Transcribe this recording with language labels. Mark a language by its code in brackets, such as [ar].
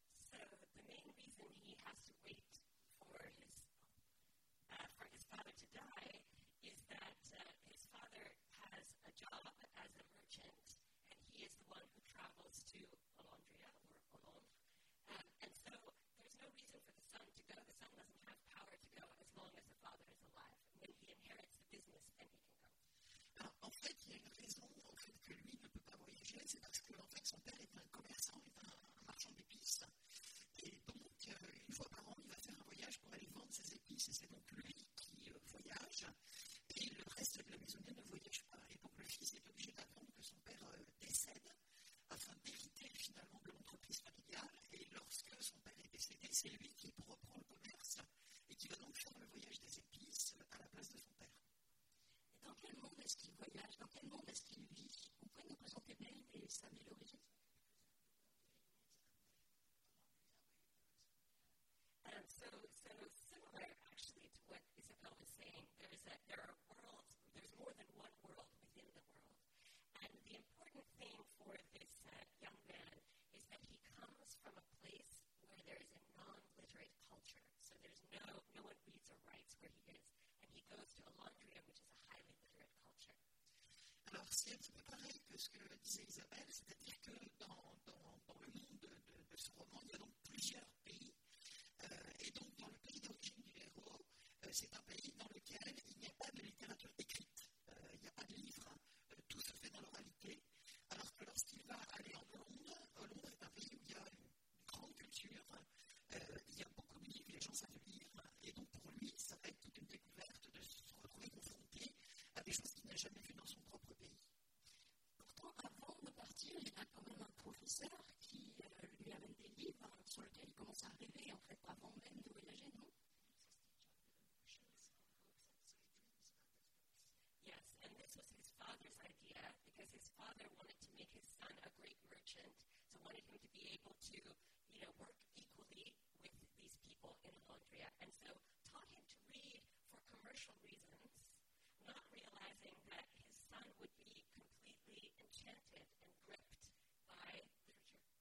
[en] So the main reason he has to wait for his father to die is that his father has a job as a merchant, and he is the one who travels to Alondria or Olomb. And so there's no reason for the son to go. The son doesn't have power to go as long as the father is alive. When he inherits the business, then he can go. [fr] En fait, il y a une raison en fait, que lui ne peut pas voyager, c'est parce que en fait, son père est un commerçant, est un marchand d'épices. Et donc, une fois par an, il va faire un voyage pour aller vendre ses épices. Et c'est donc lui qui voyage. Et le reste de la maisonnée ne voyage pas. Et donc, le fils est obligé d'attendre que son père décède afin d'hériter finalement de l'entreprise familiale. Et lorsque son père est décédé, c'est lui qui reprend le commerce et qui va donc faire le voyage des épices à la place de son père. Dans quel monde est-ce qu'il voyage? Dans quel monde est-ce qu'il vit? On pourrait nous présenter Ben et sa ville d'origine. [en] So similar, actually, to what Isabel was saying, there are worlds. There's more than one world within the world, and the important thing for this young man is that he comes from a place where there is a non-literate culture. So there's no one reads or writes where he is, and he goes to Alondria, which is a highly literate culture. [fr] Alors, c'est un petit peu pareil que ce que disait Isabelle, c'est-à-dire que dans le monde de ce roman, il y a donc plusieurs pays. Et donc, dans le pays d'origine du héros, c'est un pays dans lequel il n'y a pas de littérature écrite, il n'y a pas de livre, tout se fait dans l'oralité. Alors que lorsqu'il va aller en Hollande, Londres est un pays où il y a une grande culture, il y a beaucoup de livres, les gens savent lire, et donc pour lui, ça va être toute une découverte de se retrouver confronté à des choses qu'il n'a jamais vues dans son propre pays. Pourtant, avant de partir, il y a quand même un professeur qui lui amène des livres sur lesquels il commence à rêver, en fait, avant même de voyager, non? [en] Yes, and this was his father's idea, because his father wanted to make his son a great merchant, so wanted him to be able to, you know, work equally with these people in Alondria, and so taught him to read for commercial reasons, not realizing that his son would be completely enchanted and gripped by literature.